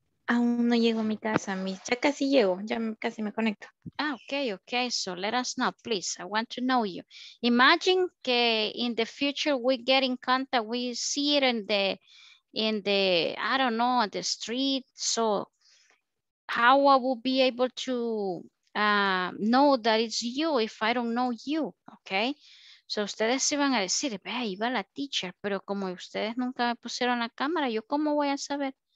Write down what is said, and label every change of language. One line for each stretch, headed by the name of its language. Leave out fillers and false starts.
Spanish: Aún no llego a mi casa, ya casi llego, ya casi me conecto.
English: Ah, okay, okay, so let us know, please. I want to know you. Imagine que in the future we get in contact, we see it in the, I don't know, on the street. So how I will be able to know that it's you if I don't know you, okay?
Spanish: So ustedes se van a decir, ve, iba la teacher, pero como ustedes nunca me pusieron la cámara, yo cómo voy a saber?